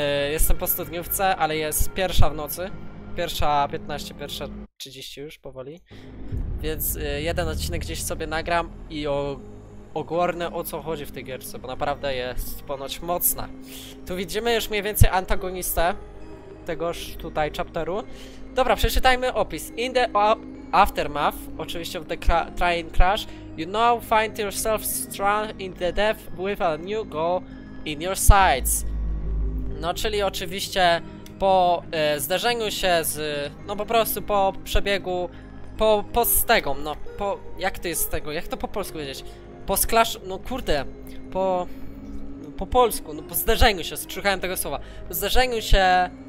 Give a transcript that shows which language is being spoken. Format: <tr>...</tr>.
<pl>Jestem po studniówce, ale jest pierwsza w nocy. Pierwsza 15, pierwsza 30 już powoli. Więc jeden odcinek gdzieś sobie nagram i ogórnę, o co chodzi w tej gierce, bo naprawdę jest ponoć mocna. Tu widzimy już mniej więcej antagonistę tegoż tutaj chapteru. Dobra, przeczytajmy opis.</pl> <en>In the aftermath,</en> <pl>oczywiście w</pl> <en>the train crash, you now find yourself stranded in the depth with a new goal in your sights.</en> <pl>No, czyli oczywiście po zderzeniu się z... No, po prostu po przebiegu... Po stegą, no, po... Jak to jest z tego? Jak to po polsku powiedzieć? Po sklasz... No, kurde. Po polsku, no, po zderzeniu się, szukałem tego słowa. Po zderzeniu się...</pl>